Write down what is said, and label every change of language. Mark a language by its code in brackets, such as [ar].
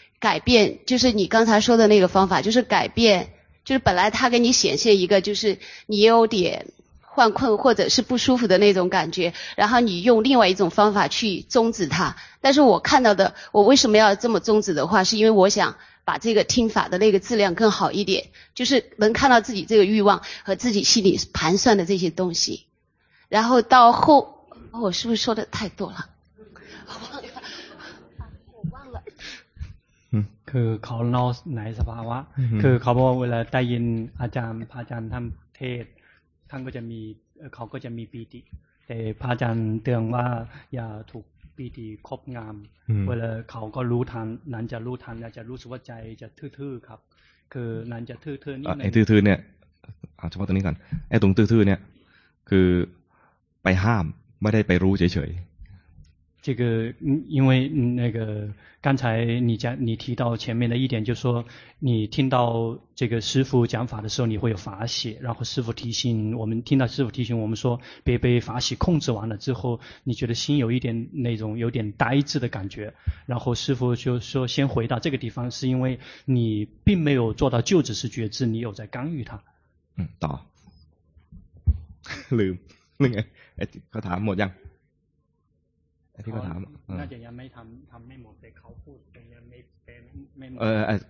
[zh] 改变就是你刚才说的那个方法就是改变就是本来它给你显现一个就是你有点患困或者是不舒服的那种感觉然后你用另外一种方法去终止它但是我看到的我为什么要这么终止的话是因为我想把这个听法的那个质量更好一点就是能看到自己这个欲望和自己心里盘算的这些东西然后到后我是不是说的太多了我忘了 [th] คือเขาเล่าในสภาวะคือเขาบอกเวลาได้ยินอาจารย์พระอาจารย์ท่านเทศท่านก็จะมีเขาก็จะมีปีติแต่พระอาจารย์เตือนว่าอย่าถูกปีติครอบงำเวลาเขาก็รู้ทันนั้นจะรู้ทันแล้วจะรู้สึกว่าใจจะทื่อๆครับคือนั้นจะทื่อๆนิดนึง ไอ้ทื่อๆเนี่ย เฉพาะตรงนี้ก่อนไอ้ตรงตื้อๆเนี่ยคือไปห้ามไม่ได้ไปรู้เฉยๆ [zh] 这个因为那个刚才你提到前面的一点，就是说你听到这个师父讲法的时候，你会有法喜，然后师父提醒我们，听到师父提醒我们说别被法喜控制完了之后，你觉得心有一点那种有点呆滞的感觉，然后师父就说先回到这个地方，是因为你并没有做到就只是觉知，你有在干预它。嗯，到。忘了，那个，哎，他问完了没？ [th] ที่เขาถาม น่าจะยังไม่ทำไม่หมดแต่เขาพูดยังไม่หมด